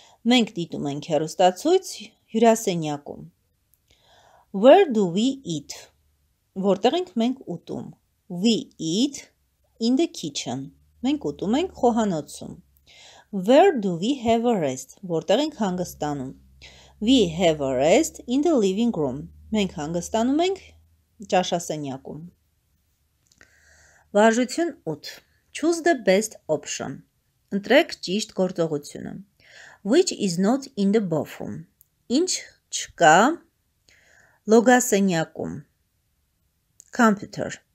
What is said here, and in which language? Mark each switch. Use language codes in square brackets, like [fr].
[hy] Մենք դիտում ենք հեռուստացույց հյուրասենյակում. [en] Where do we eat? [hy] Որտեղ ենք մենք ուտում? [en] We eat in the kitchen. [hy] Մենք ուտում ենք խոհանոցում. [en] Where do we have a rest? [hy] Որտեղ ենք հանգստանում? [en] We have a rest in the living room. [hy] Մենք հանգստանում ենք ճաշասենյակում. [en] Վարժություն 8. Choose the best option. [hy] Ընտրեք ճիշտ գործողությունը. [en] Which is not in the bathroom? [hy] Ինչ չկա լոգասենյակում? [en] Computer.